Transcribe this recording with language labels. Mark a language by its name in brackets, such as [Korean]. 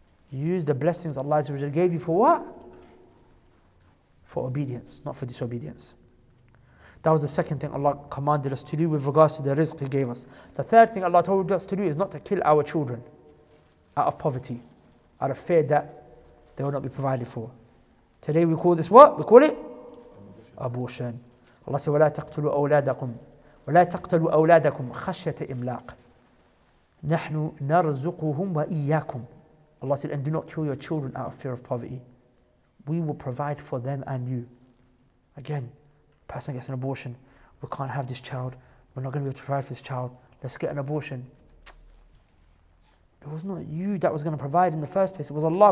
[English] Use the blessings Allah gave you for what? For obedience, not for disobedience. That was the second thing Allah commanded us to do with regards to the rizq He gave us. The third thing Allah told us to do is not to kill our children out of poverty, out of fear that they will not be provided for. Today we call this what? We call it? Abortion. Allah said, [Arabic] وَلَا تَقْتُلُوا أَوْلَادَكُمْ وَلَا تَقْتَلُوا أَوْلَادَكُمْ خَشَّةَ إِمْلَاقٍ نَحْنُ نَرْزُقُهُمْ وَإِيَّاكُمْ. [English] Allah said, and do not kill your children out of fear of poverty. We will provide for them and you. Again, person gets an abortion. We can't have this child. We're not going to be able to provide for this child. Let's get an abortion. It was not you that was going to provide in the first place. It was Allah.